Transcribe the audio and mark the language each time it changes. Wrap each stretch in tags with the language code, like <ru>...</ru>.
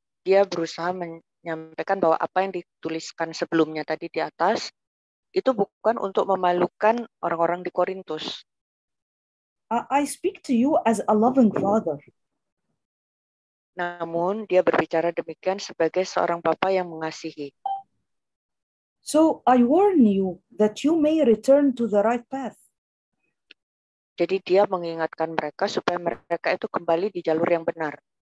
<id>Dia berusaha menyampaikan bahwa apa yang dituliskan sebelumnya tadi di atas, itu bukan untuk memalukan orang-orang di Korintus.</id> <en>I speak to you as a loving father.</en> <id>Namun dia berbicara demikian sebagai seorang bapa yang mengasihi.</id> <en>So I warn you that you may return to the right path.</en> <id>Jadi dia mengingatkan mereka supaya mereka itu kembali di jalur yang benar.</id>